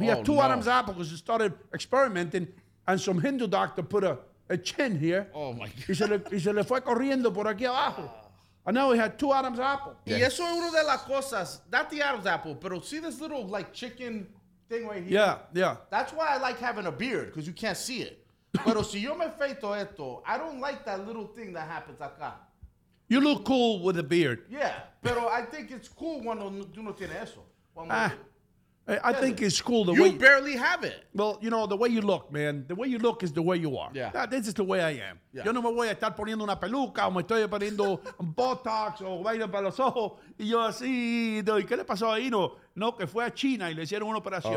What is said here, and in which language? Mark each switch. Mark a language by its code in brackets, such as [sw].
[en] He had two Adam's apples because he started experimenting and some Hindu doctor put a chin here. Oh, my God. [es] Y se le fue corriendo por aquí abajo. [en] And now he had two Adam's apples. Yeah. [es] Y eso es una de las cosas, [en] not the Adam's apple, pero see this little, like, chicken thing right here? Yeah, yeah. That's why I like having a beard, because you can't see it. [es] Pero si yo me feito esto, [en] I don't like that little thing that happens [es] acá. [en] You look cool with a beard. Yeah, pero I think it's cool [es] cuando uno tiene eso. [en] I think it's cool the you way you barely have it. Well, you know, the way you look, man. The way you look is the way you are. Yeah. This is the way I am. Yeah. [es] Yo no me voy a estar poniendo una peluca o me estoy poniendo Botox o vaina para los ojos. Y yo así, ¿y qué le pasó ahí? No, que fue a China y le hicieron una operación.